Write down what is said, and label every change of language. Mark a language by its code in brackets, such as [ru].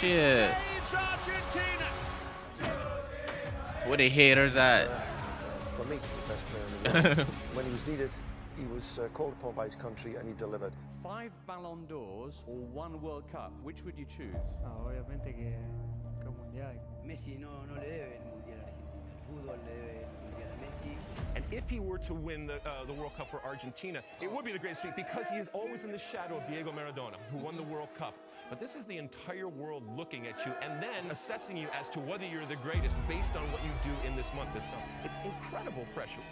[en] shit. Saves Argentina. What a haters at. For me, the best player in the world. When he was needed, he was called upon by his country and he delivered. Five Ballon d'Ors or one World Cup, which would you choose? [es] Ah, obviamente que el Mundial. Messi no le debe el Mundial a Argentina. El fútbol le debe el Mundial a Messi. [en] And if he were to win the World Cup for Argentina, it would be the greatest feat because he is always in the shadow of Diego Maradona, who won the World Cup. But this is the entire world looking at you and then assessing you as to whether you're the greatest based on what you do in this month, this summer. It's incredible pressure.